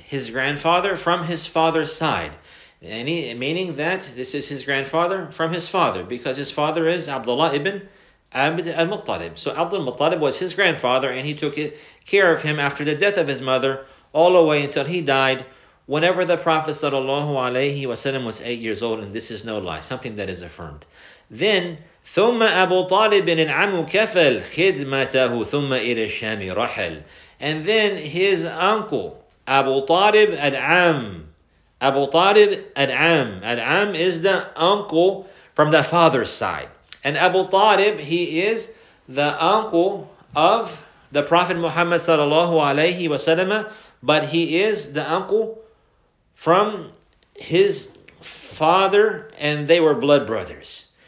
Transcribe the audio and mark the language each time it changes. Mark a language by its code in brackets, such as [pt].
[en] His grandfather from his father's side. And meaning that this is his grandfather from his father, because his father is Abdullah ibn Abd al-Muttalib. So Abd al-Muttalib was his grandfather, and he took care of him after the death of his mother all the way until he died, whenever the Prophet sallallahu alayhi wasallam was 8 years old. And this is no lie, something that is affirmed. [ar] Then ثم أبو طالب العم كفل خدمته ثم إلى الشام رحل. [en] And then his uncle Abu Talib al-Am, Abu Talib al-Am, al-Am is the uncle from the father's side. And Abu Talib, he is the uncle of the Prophet Muhammad sallallahu alayhi wasallam, but he is the uncle from his father, and they were blood brothers.